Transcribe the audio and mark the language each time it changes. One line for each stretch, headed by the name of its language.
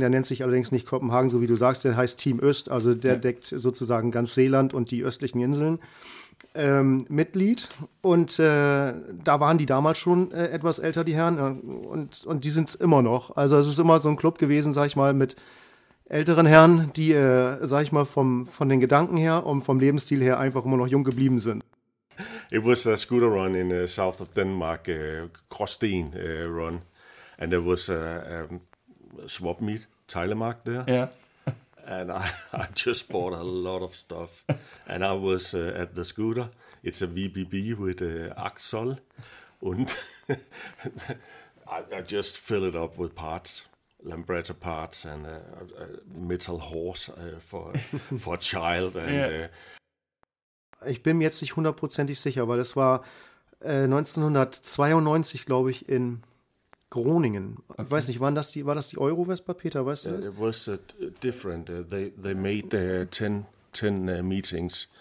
German: Der nennt sich allerdings nicht Kopenhagen, so wie du sagst, der heißt Team Öst. Also der deckt sozusagen ganz Seeland und die östlichen Inseln Mitglied. Und da waren die damals schon etwas älter, die Herren. Und die sind es immer noch. Also es ist immer so ein Club gewesen, sag ich mal, mit älteren Herren, die, sag ich mal, von den Gedanken her und vom Lebensstil her einfach immer noch jung geblieben sind.
English: It was a scooter run in south of Denmark, Gråsten run, and there was a swap meet, Teglmark there. Yeah. And I just bought a lot of stuff, and I was at the scooter. It's a VBB with Axol, and I just fill it up with parts, Lambretta parts, and a metal horse for a child. And,
German: Ich bin mir jetzt nicht hundertprozentig sicher, weil das war 1992, glaube ich, in Groningen. Ich weiß Okay. nicht, waren das war das die Euro-Vespa, Peter, weißt du
English: It was different. They made 10 meetings